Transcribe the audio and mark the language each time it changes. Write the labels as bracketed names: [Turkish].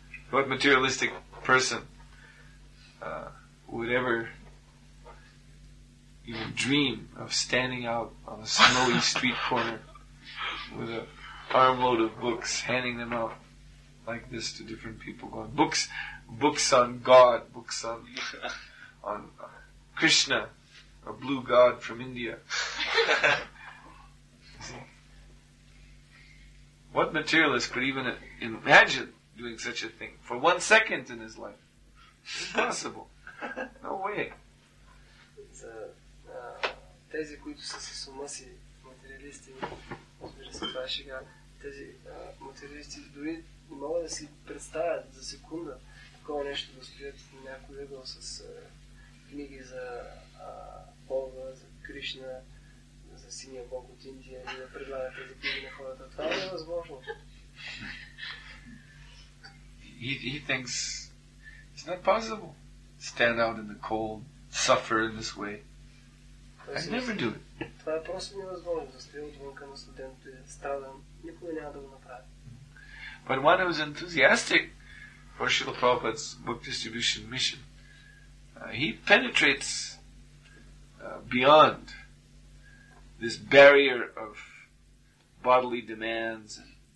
[English] What materialistic person would ever even dream of standing out on a snowy street corner with a armload of books, handing them out like this to different people, going, books on God, books on Krishna, a blue god from India. What materialist could even imagine doing such a thing for 1 second in his life? Impossible. No way. [Bulgarian] За тези, които са с ума си материалисти, разбира се, това е шега, тези материалисти дори не могат да си представят за секунда такова нещо да стоят на някой ъгъл с книги за Бога, за Кришна, за синия бог от Индия и да предлагат тези книги на хората. Това е невъзможно. [English] He thinks it's not possible. Stand out in the cold, suffer in this way. I'd never do it. [Bulgarian] Това е просто невъзможно. Да стоя отвънка на студентите, страдам, никога няма да го направя. [English] But one who's enthusiastic for Srila Prabhupada's book distribution mission, he penetrates beyond this barrier of bodily demands and